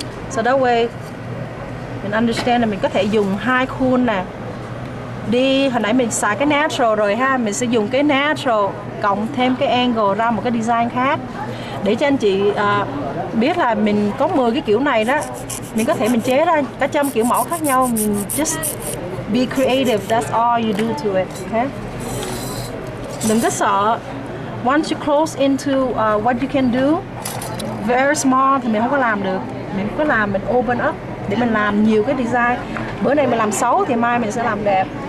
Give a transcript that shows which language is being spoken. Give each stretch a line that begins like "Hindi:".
Vietnamese: So that way mình understand là mình có thể dùng hai khuôn nè. Đi, hồi nãy mình xài cái natural rồi ha, mình sẽ dùng cái natural cộng thêm cái angle ra một cái design khác. Để cho anh chị biết là mình có 10 cái kiểu này đó, mình có thể mình chế ra cả trăm kiểu mẫu khác nhau.
English: Mình just be creative, that's all you do to it, okay?
Vietnamese: Đừng có sợ.
English: Once you close into what you can do, very small
Vietnamese: thì mình không có làm được. Mình cứ làm, mình open up để mình làm nhiều cái design. Bữa nay mình làm xấu thì mai mình sẽ làm đẹp.